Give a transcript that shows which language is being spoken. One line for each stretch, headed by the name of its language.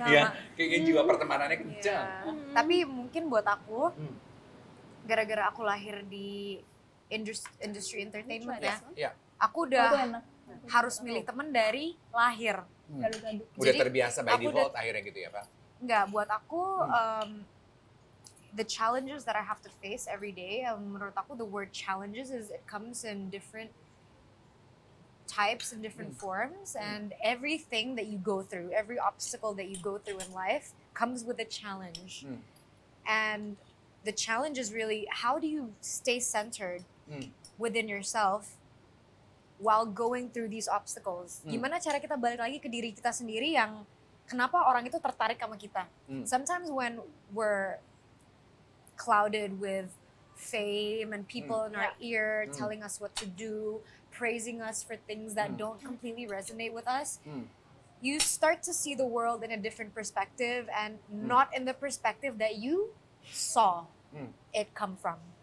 Indonesian: Ya, kayaknya jiwa pertemanannya kencang.
English: Yeah.
Indonesian: Tapi mungkin buat aku, gara-gara aku lahir di industri entertainment ya. Aku udah harus milih teman dari lahir. Udah terbiasa
English: by default
Indonesian: akhirnya gitu ya, Pak? Enggak, buat aku
English: the challenges that I have to face every day,
Indonesian: menurut aku
English: the word challenges is it comes in different types and different forms and everything that you go through, every obstacle that you go through in life comes with a challenge. And the challenge is really how do you stay centered within yourself while going through these obstacles.
Indonesian: Gimana cara kita balik lagi ke diri kita sendiri yang kenapa orang itu tertarik sama kita.
English: Sometimes when we're clouded with fame and people in our ear telling us what to do, praising us for things that don't completely resonate with us, you start to see the world in a different perspective and not in the perspective that you saw it come from.